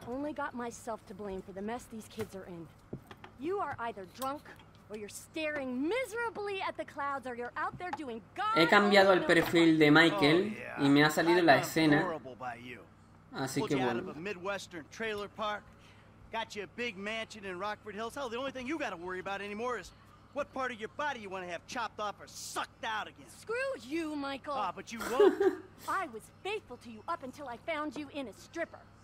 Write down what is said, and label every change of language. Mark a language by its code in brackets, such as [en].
[en] Only got myself to blame for the mess these kids are in. You are either drunk or you're staring miserably at the clouds or you're out there doing God. [es] He cambiado el perfil de Michael y me ha salido la escena. Así que bueno. [en] Midwestern trailer park. Got you a big mansion in Rockford Hills. Hell, the only thing you got to worry about anymore is what part of your body you want to have chopped off or sucked out again. Screw you, Michael. Ah, but you won't. I was faithful to you up until I found you in a stripper.